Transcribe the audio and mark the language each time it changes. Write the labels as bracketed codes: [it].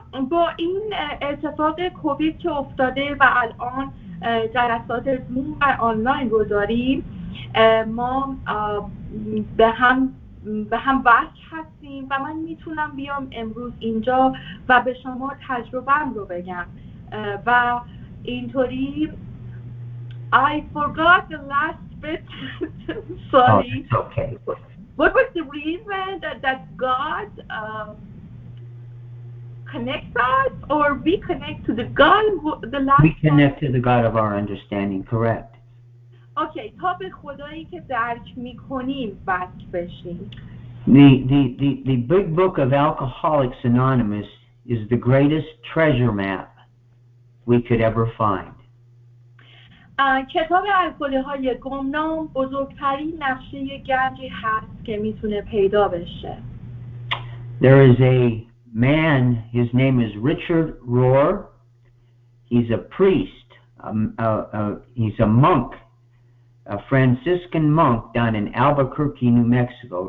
[fa] با این اتفاق کووید که افتاده و الان جلسات زوم و آنلاین رو داریم ما به هم وصل هستیم و من میتونم بیام امروز اینجا و به شما تجربه‌ام رو بگم و اینطوری [en] I forgot the last bit. Sorry. Oh, it's okay. What was the reason that God connects us or we connect to the God the last We connect time? To the God of our understanding, correct. [fa] Okay, تا به خدایی که درک می‌کنیم وصل بشیم. [en] The big book of Alcoholics Anonymous is the greatest treasure map we could ever find. [fa] کتاب الکلی‌های گمنام بزرگترین نقشه گنجی هست که میتونه پیدا بشه. [en] There is a man, his name is Richard Rohr. He's a priest, he's a monk, a Franciscan monk down in Albuquerque, New Mexico.